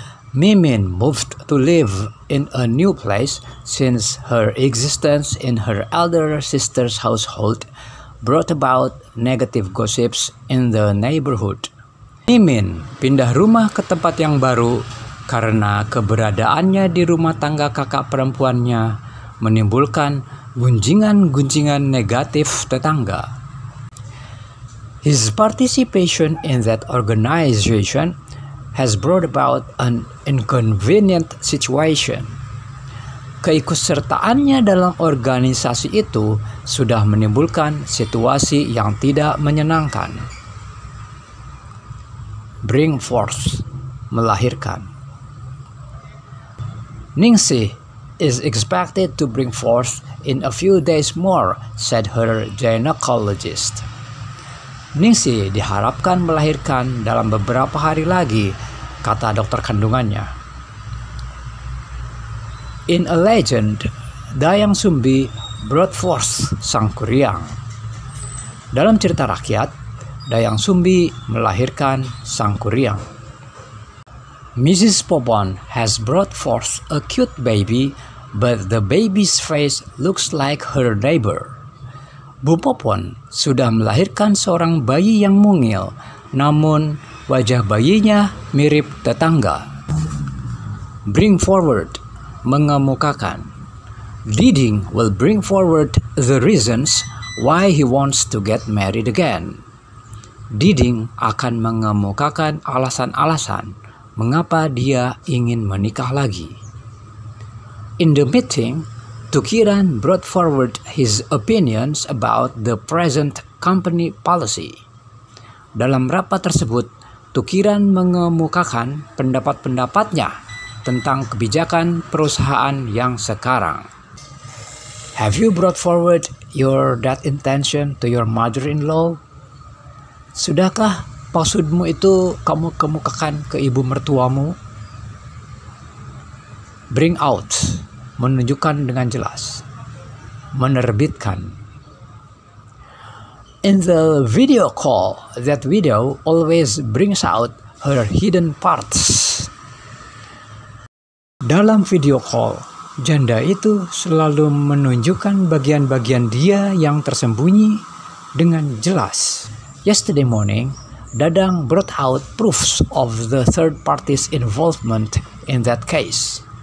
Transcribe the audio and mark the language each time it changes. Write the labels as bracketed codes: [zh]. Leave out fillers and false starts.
[en] Mimin moved to live in a new place since her existence in her elder sister's household brought about negative gossips in the neighborhood. [id] Mimin pindah rumah ke tempat yang baru karena keberadaannya di rumah tangga kakak perempuannya menimbulkan gunjingan-gunjingan negatif tetangga. [en] His participation in that organization has brought about an inconvenient situation. [id] Keikutsertaannya dalam organisasi itu sudah menimbulkan situasi yang tidak menyenangkan. [en] Bring forth, melahirkan. Ningsih is expected to bring forth in a few days more, said her gynecologist. [id] Ningsih diharapkan melahirkan dalam beberapa hari lagi, kata dokter kandungannya. [en] In a legend, Dayang Sumbi brought forth Sang Kuryang. [id] Dalam cerita rakyat, Dayang Sumbi melahirkan Sang Kuryang. Mrs. [en] Popon has brought forth a cute baby, but the baby's face looks like her neighbor. [id] Bu Popon sudah melahirkan seorang bayi yang mungil, namun wajah bayinya mirip tetangga. [en] Bring forward, mengemukakan. Leading will bring forward the reasons why he wants to get married again. [id] Leading akan mengemukakan alasan-alasan mengapa dia ingin menikah lagi. [en] In the meeting, Tukiran brought forward his opinions about the present company policy. [id] Dalam rapat tersebut, Tukiran mengemukakan pendapat-pendapatnya tentang kebijakan perusahaan yang sekarang. [en] Have you brought forward your that intention to your mother-in-law? [id] Sudahkah maksudmu itu kamu kemukakan ke ibu mertuamu? [en] Bring out, menunjukkan dengan jelas. [id] Menerbitkan. [en] In the video call, that widow always brings out her hidden parts. [id] Dalam video call, janda itu selalu menunjukkan bagian-bagian dia yang tersembunyi dengan jelas. [en] Yesterday morning, Dadang brought out proofs of the third party's involvement in that case.